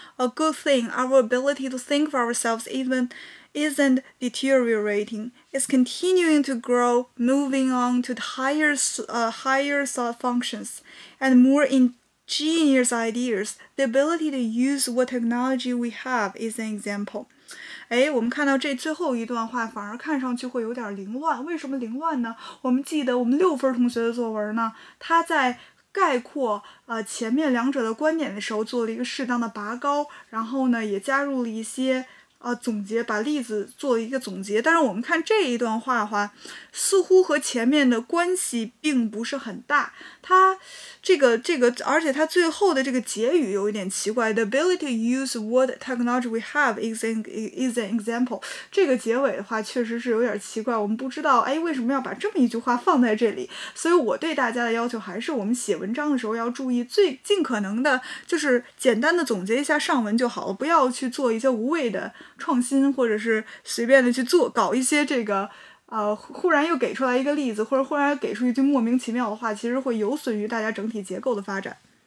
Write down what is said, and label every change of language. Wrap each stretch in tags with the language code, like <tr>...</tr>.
<en>A good thing, our ability to think for ourselves even isn't deteriorating; it's continuing to grow, moving on to higher thought functions and more in genius ideas. The ability to use what technology we have is an example.</en> <zh>哎，我们看到这最后一段话反而看上去会有点凌乱，为什么凌乱呢？我们记得我们六分同学的作文呢，他在概括前面两者的观点的时候做了一个适当的拔高，然后呢也加入了一些总结，把例子做了一个总结。但是我们看这一段话的话，似乎和前面的关系并不是很大。它这个，而且它最后的这个结语有一点奇怪。</zh> <en>The ability to use what technology we have is an example.</en> <zh>这个结尾的话确实是有点奇怪。我们不知道，哎，为什么要把这么一句话放在这里？所以我对大家的要求还是，我们写文章的时候要注意尽可能的，就是简单的总结一下上文就好了，不要去做一些无谓的创新，或者是随便的去做搞一些这个忽然又给出来一个例子，或者忽然给出一句莫名其妙的话，其实会有损于大家整体结构的发展。</zh>